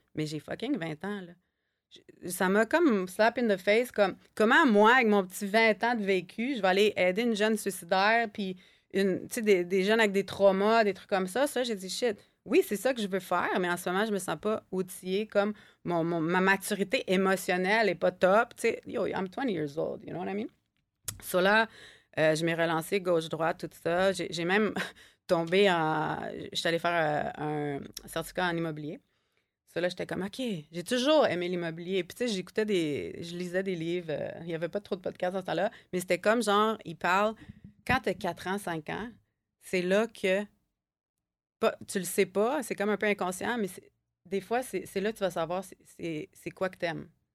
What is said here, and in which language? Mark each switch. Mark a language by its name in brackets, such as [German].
[French] Mais j'ai fucking 20 ans, là. Ça m'a comme [English] slap in the face, [French] comme comment moi, avec mon petit 20 ans de vécu, je vais aller aider une jeune suicidaire, puis des jeunes avec des traumas, des trucs comme ça. Ça, j'ai dit, shit, oui, c'est ça que je veux faire, mais en ce moment, je me sens pas outillée, comme ma maturité émotionnelle est pas top. [English] T'sais, yo, I'm 20 years old, you know what I mean? [French] So là, je m'ai relancée gauche-droite, tout ça. J'ai même tombé je suis allée faire un certificat en immobilier. Ça, là, j'étais comme, OK, j'ai toujours aimé l'immobilier. Puis, tu sais, je lisais des livres. Il n'y avait pas trop de podcasts dans ce temps-là. Mais c'était comme, genre, il parle, quand t'as 4 ans, 5 ans, c'est là que, pas, tu le sais pas, c'est comme un peu inconscient, mais des fois, c'est là que tu vas savoir c'est quoi que t'aimes.